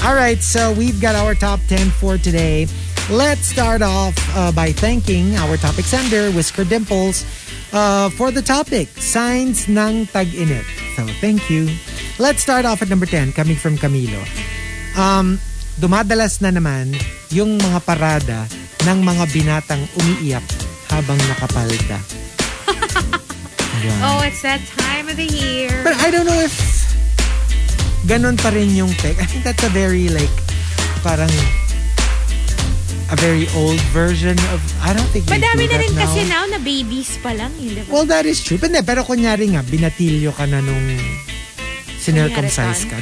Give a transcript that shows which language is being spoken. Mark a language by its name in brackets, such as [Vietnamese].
[English] All right, so we've got our top 10 for today. Let's start off by thanking our topic sender, Whisker Dimples, for the topic, Signs ng Tag-init. So, thank you. Let's start off at number 10, coming from Camilo. [Filipino] Dumadalas na naman yung mga parada ng mga binatang umiiyak habang nakapalda. [English] Yeah. Oh, it's that time of the year. But I don't know if ganun pa rin yung tech. I think that's a very, like, parang a very old version of... I don't think but we do that now. [Filipino] Madami na rin kasi now na babies pa lang. Yun, [English] well, that is true. [Filipino] But, pero kunyari nga, binatilyo ka na nung sinircumcise ka.